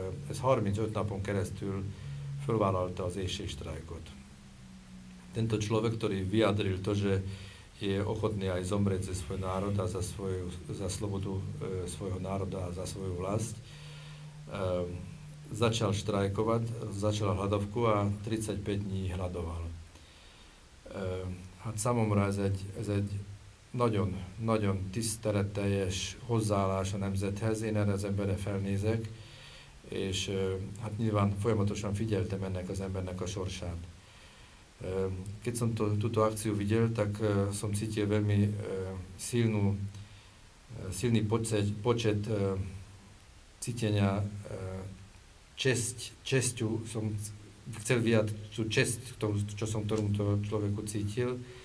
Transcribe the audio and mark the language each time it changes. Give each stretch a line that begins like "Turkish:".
Hungarian: Ez 35 napon keresztül fölvállalta az éhségsztrájkot.
Slovak: Tento človek, ktorý vyjadril to, že je ochotný aj zomrieť za svoj národ a za slobodu svojho národa a za svoju vlast, začal štrajkovať, začal hladovku a 35 dní hladoval.
Hungarian: Hát számomra ez egy nagyon, nagyon tiszteletteljes hozzáállás a nemzethez. Én erre az emberre felnézek, és hát nyilván folyamatosan figyeltem ennek az embernek a sorsát.
Slovak: Keď som túto akciu videl, tak som cítil veľmi silný počet cítenia, česťu som chcel vyjadriť, tú česť, čo som tomuto človeku cítil.